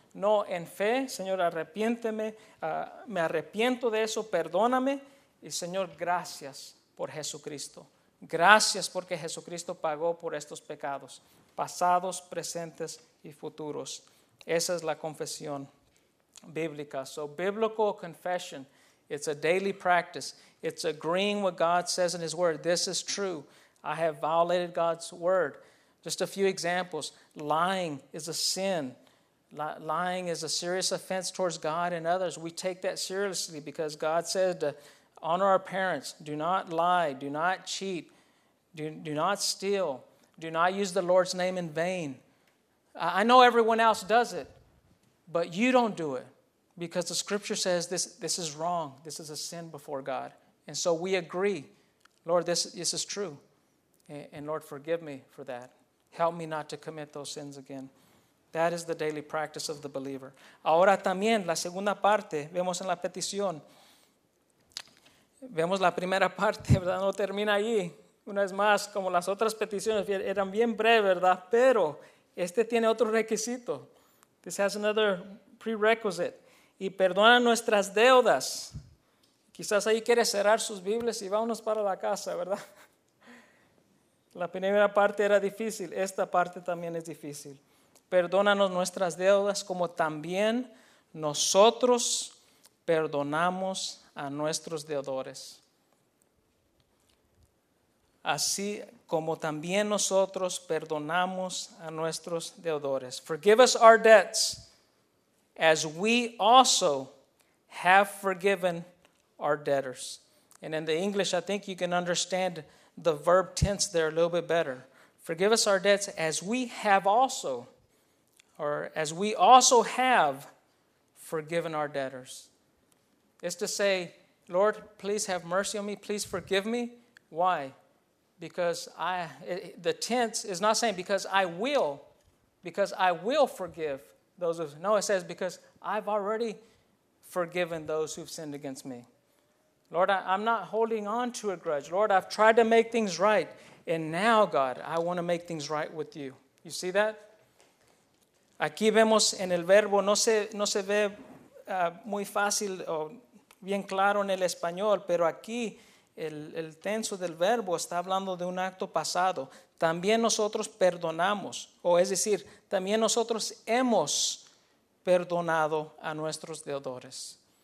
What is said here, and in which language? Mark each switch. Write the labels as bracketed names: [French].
[Spanish] No, en fe, Señor, arrepiénteme, me arrepiento de eso, perdóname. Y Señor, gracias por Jesucristo. Gracias porque Jesucristo pagó por estos pecados, pasados, presentes y futuros. Esa es la confesión bíblica. [English] So, biblical confession, it's a daily practice. It's agreeing what God says in His Word. This is true. I have violated God's Word. Just a few examples. Lying is a sin. Lying is a serious offense towards God and others. We take that seriously because God says to honor our parents. Do not lie. Do not cheat. Do not steal. Do not use the Lord's name in vain. I know everyone else does it, but you don't do it because the scripture says this is wrong. This is a sin before God. And so we agree, Lord, this is true. And Lord, forgive me for that. Help me not to commit those sins again. That is the daily practice of the believer. [Spanish] Ahora también, la segunda parte, vemos en la petición. Vemos la primera parte, ¿verdad? No termina ahí. Una vez más, como las otras peticiones eran bien breves, ¿verdad? Pero este tiene otro requisito. [English] This has another prerequisite. [Spanish] Y perdona nuestras deudas. Quizás ahí quiere cerrar sus Biblias y vámonos para la casa, ¿verdad? La primera parte era difícil. Esta parte también es difícil. Perdónanos nuestras deudas como también nosotros perdonamos a nuestros deudores. Así como también nosotros perdonamos a nuestros deudores. [English] Forgive us our debts, as we also have forgiven our debtors. And in the English, I think you can understand the verb tense there a little bit better. Forgive us our debts, as we have also, or as we also have forgiven our debtors. It's to say, Lord, please have mercy on me. Please forgive me. Why? Because the tense is not saying because I will forgive those who, no, it says because I've already forgiven those who've sinned against me. Lord, I'm not holding on to a grudge. Lord, I've tried to make things right. And now, God, I want to make things right with you. You see that? [Spanish] Aquí vemos en el verbo, no se ve muy fácil o bien claro en el español, pero aquí el tenso del verbo está hablando de un acto pasado. También nosotros perdonamos, o es decir, también nosotros hemos perdonado a nuestros deudores.